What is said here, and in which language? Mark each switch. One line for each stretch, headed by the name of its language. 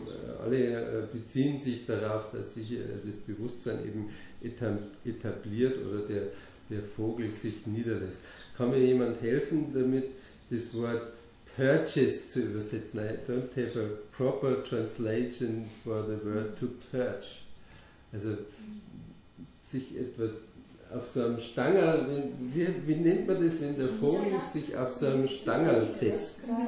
German: Und alle beziehen sich darauf, dass sich das Bewusstsein eben etabliert oder der Vogel sich niederlässt. Kann mir jemand helfen damit, das Wort purchase zu übersetzen?
English: I don't have a proper translation for the word to purge.
German: Also sich etwas auf so einem Stangerl, wie nennt man das, wenn der Vogel sich auf so einem Stangerl setzt?